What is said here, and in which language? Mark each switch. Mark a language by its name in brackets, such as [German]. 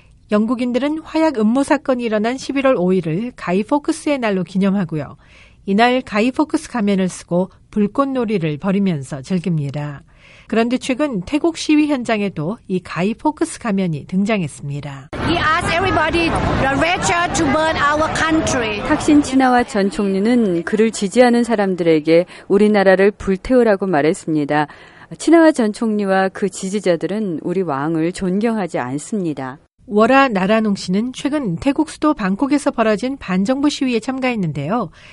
[Korean] 영국인들은 화약 음모 사건이 일어난 11월 5일을 가이 포크스의 날로 기념하고요. 이날 가이 포크스 가면을 쓰고 불꽃놀이를 벌이면서 즐깁니다. 그런데 최근 태국 시위 현장에도 이 가이 포크스 가면이 등장했습니다. [English] He asked everybody the rapture to burn our country. [Korean] 탁신 친화와 전 총리는 그를 지지하는 사람들에게 우리나라를 불태우라고 말했습니다. 친화와 전 총리와 그 지지자들은 우리 왕을 존경하지 않습니다. 워라 나라농 씨는 최근 태국 수도 방콕에서 벌어진 반정부 시위에 참가했는데요.